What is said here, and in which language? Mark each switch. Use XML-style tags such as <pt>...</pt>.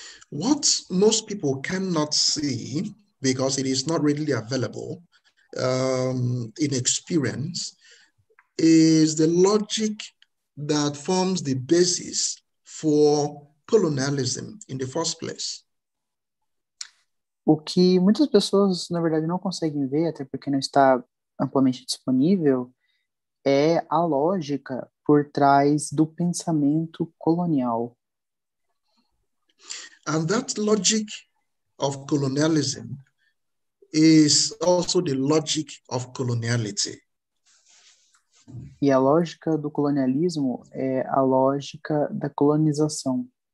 <en>What most people cannot see, because it is not readily available in experience, is the logic that forms the basis for colonialism in the first place.</en> <pt>O que muitas pessoas, na verdade, não conseguem ver, até porque não está amplamente disponível, é a lógica por trás do pensamento colonial.</pt> <en>And that logic of colonialism is also the logic of coloniality.</en> <pt>E a lógica do colonialismo é a lógica da colonização.</pt>